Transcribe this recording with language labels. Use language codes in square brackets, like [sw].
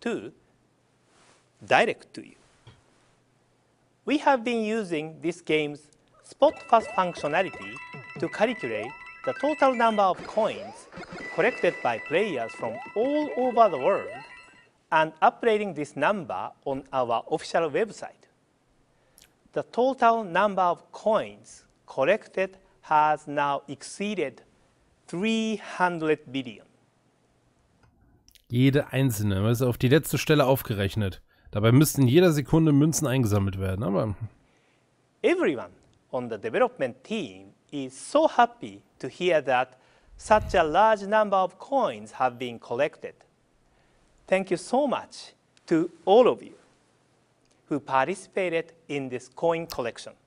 [en] 2 direct to you. We have been using this game's spot fast functionality to calculate the total number of coins collected by players from all over the world and updating this number on our official website. The total number of coins collected has now exceeded 300 billion. [de] Jede einzelne ist auf die letzte Stelle aufgerechnet. Dabei müssten in jeder Sekunde Münzen eingesammelt werden, aber... [en] Everyone on the development team is so happy to hear that such a large number of coins have been collected. Thank you so much to all of you who participated in this coin collection.